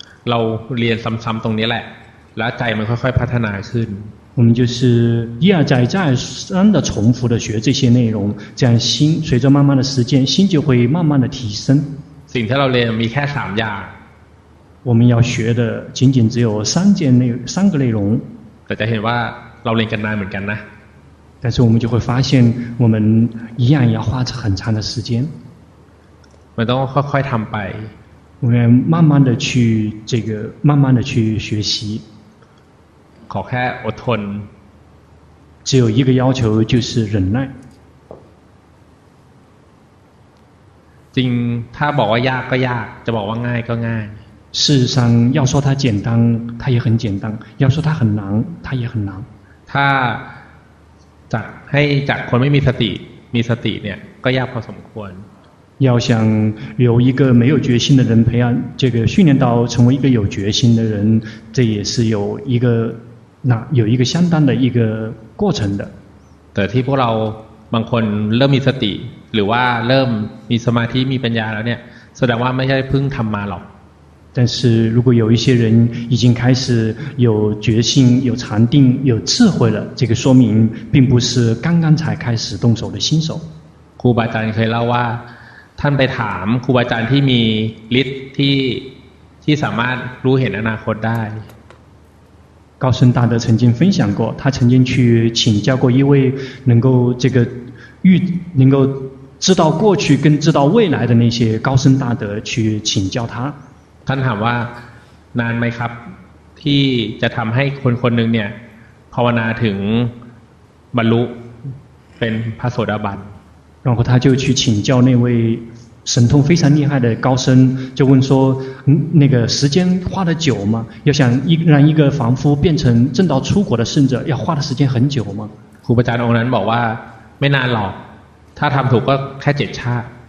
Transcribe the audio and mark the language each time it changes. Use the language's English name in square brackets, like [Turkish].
[Thai] เราเรียนซ้ำๆตรงนี้แหละแล้วใจมันค่อยๆพัฒนาขึ้น [Chinese] 我们就是一而再再三的重复的学这些内容这样心随着慢慢的时间心就会慢慢的提升 [Thai] สิ่งที่เราเรียนมีแค่สามอย่าง [Chinese] 我们要学的仅仅只有三件内三个内容 [Thai] แต่จะเห็นว่าเราเรียนกันนานเหมือนกันนะ [Chinese] 但是我们就会发现我们一样要花很长的时间 [Thai] มันต้องค่อยๆทำไป [Chinese] 我们慢慢的去这个慢慢的去学习 [Thai] ขอแค่อดทน [Chinese] 只有一个要求就是忍耐 [Thai] จริงถ้าบอกว่ายากก็ยากจะบอกว่าง่ายก็ง่าย [Chinese] 事实上要说它简单它也很简单要说它很难它也很难 [Thai] ถ้าจะให้จากคนไม่มีสติมีสติเนี่ยก็ยากพอสมควร [Chinese] 要想由一个没有决心的人培养这个训练到成为一个有决心的人这也是有一个那有一个相当的一个过程的 [Thai] แต่ที่พวกเราบางคนเริ่มมีสติหรือว่าเริ่มมีสมาธิมีปัญญาแล้วเนี่ยแสดงว่าไม่ใช่เพิ่งทำมาหรอก [Chinese] 但是如果有一些人已经开始有决心有禅定有智慧了这个说明并不是刚刚才开始动手的新手 [Thai] ครูบาอาจารย์เคยเล่าว่าท่านไปถามครูบาอาจารย์ที่มีฤทธิ์ที่สามารถรู้เห็นอนาคตได้ [Chinese] 高僧大德曾经分享过，他曾经去请教过一位能够这个能够知道过去跟知道未来的那些高僧大德去请教他。 [Thai] ท่านถามว่านานไหมครับที่จะทำให้คนคนหนึ่งเนี่ยภาวนาถึงบรรลุเป็นพระโสดาบัน。 [Chinese] 然后他就去请教那位神通非常厉害的高僧就问说那个时间花得久吗要想让一个凡夫变成正道出国的圣者要花的时间很久吗 [Thai] ครูบาอาจารย์องค์นั้นบอกว่าไม่นานหรอกถ้าทำถูกก็แค่เจ็ดชาติ